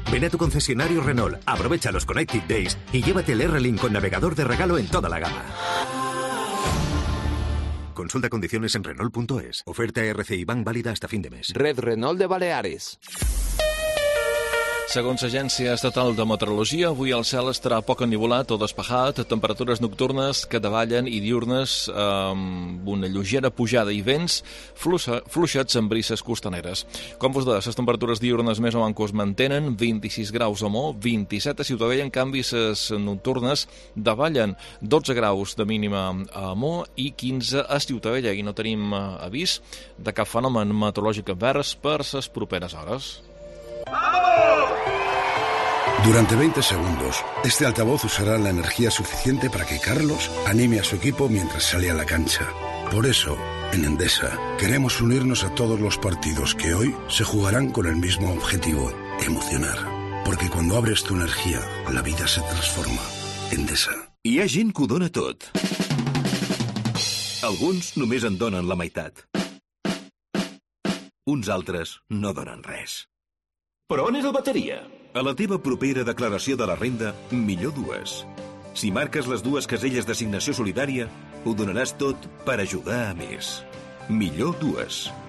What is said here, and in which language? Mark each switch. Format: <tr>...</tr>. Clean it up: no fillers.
<es>Ven a tu concesionario Renault, aprovecha los Connected Days y llévate el R-Link con navegador de regalo en toda la gama. Consulta condiciones en Renault.es. Oferta RCI Bank válida hasta fin de mes. Red Renault de Baleares.</es> <ca>Segons l'Agència Estatal de Meteorologia, avui el cel estarà poc ennivolat o despejat, temperatures nocturnes que davallen i diurnes amb una lleugera pujada i vents fluixats amb brises costaneres. Com vos deia, les temperatures diurnes més o menys es mantenen, 26 graus a Mor, 27 a Ciutadella, en canvi les nocturnes davallen, 12 graus de mínima a Mor i 15 a Ciutadella, i no tenim avís de cap fenomen meteorològic advers per les properes hores.</ca> <es>Durante 20 segundos, este altavoz usará la energía suficiente para que Carlos anime a su equipo mientras sale a la cancha. Por eso, en Endesa, queremos unirnos a todos los partidos que hoy se jugarán con el mismo objetivo, emocionar. Porque cuando abres tu energía, la vida se transforma. Endesa.</es> <ca>Hi ha gent que ho dona tot. Alguns només en donen la meitat. Uns altres no donen res. Però on és el bateria? A la teva propera declaració de la renda, millor dues. Si marques les dues caselles d'assignació solidària, ho donaràs tot per ajudar a més. Millor dues.</ca>